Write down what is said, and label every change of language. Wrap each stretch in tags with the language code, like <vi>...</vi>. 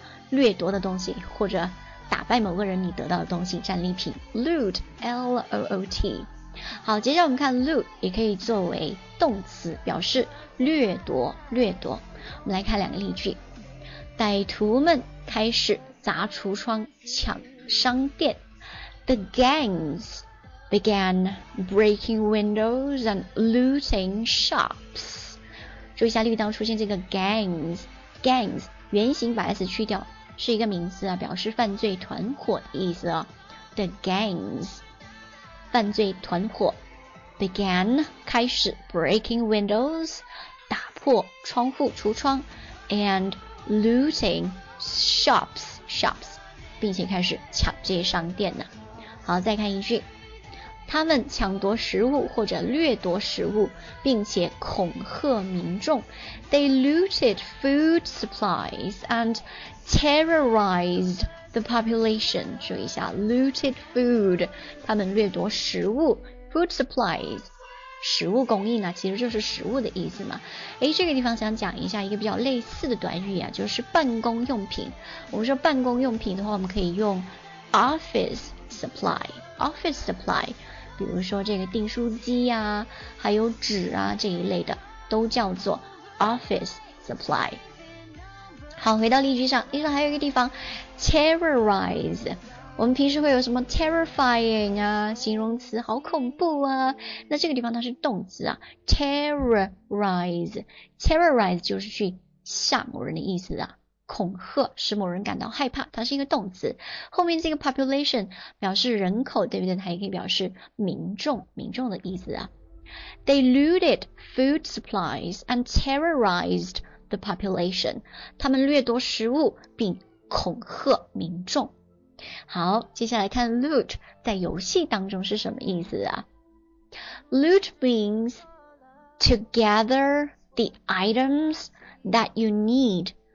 <zh>掠夺的东西，或者打败某个人你得到的东西，战利品 loot L-O-O-T。好，接下来我们看 loot 也可以作为动词，表示掠夺，掠夺。我们来看两个例句。歹徒们开始砸橱窗抢商店。</zh> <en>The gangs began breaking windows and looting shops.</en> <zh>注意一下例句当出现这个 gangs， gangs 原型把 s 去掉，是一个名词啊，表示犯罪团伙的意思哦。</zh> <en>The gangs</en> <zh>犯罪团伙</zh> <en>began</en> <zh>开始</zh> <en>breaking windows</en> <zh>打破窗户橱窗</zh> <en>and looting shops</en> <zh>并且开始抢这些商店呢。好，再看一句，他们抢夺食物或者掠夺食物，并且恐吓民众。</zh> <en>They looted food supplies and terrorized the population.</en> <zh>注意一下</zh> <en>looted food，</en> <zh>他们掠夺食物 food supplies， 食物供应呢，其实就是食物的意思嘛。诶，这个地方想讲一下一个比较类似的短语啊，就是办公用品。我们说办公用品的话，我们可以用 office supply， office supply，比如说这个订书机啊，还有纸啊，这一类的都叫做 office supply。好，回到例句上，例句上还有一个地方 terrorize， 我们平时会有什么 terrifying 啊，形容词好恐怖啊，那这个地方它是动词啊， terrorize， terrorize 就是去吓某人的意思啊，恐吓，使某人感到害怕，它是一个动词。后面这个 population 表示人口，对不对？它也可以表示民众，民众的意思啊。</zh> <en>They looted food supplies and terrorized the population.</en> <zh>他们掠夺食物并恐吓民众。好，接下来看 loot 在游戏当中是什么意思啊？</zh> <en>Loot means to gather the items that you need.</en>